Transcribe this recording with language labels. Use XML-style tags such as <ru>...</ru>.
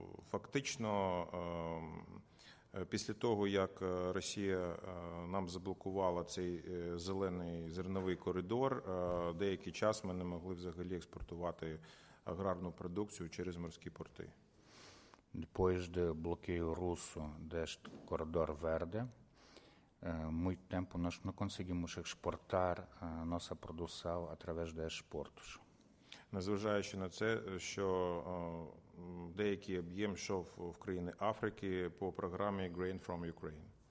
<uk>Фактично, після того, як Росія нам заблокувала цей зелений зерновий коридор, деякий час ми не могли взагалі експортувати аграрну продукцію через морські порти.</uk> <pt>Depois de bloqueio russo deste corredor verde, muito tempo nós não conseguimos exportar a nossa produção através destes portos.</pt> <uk>Незважаючи на це, що деякий об'єм йшов в країни Африки по програмі Grain from Ukraine.</uk>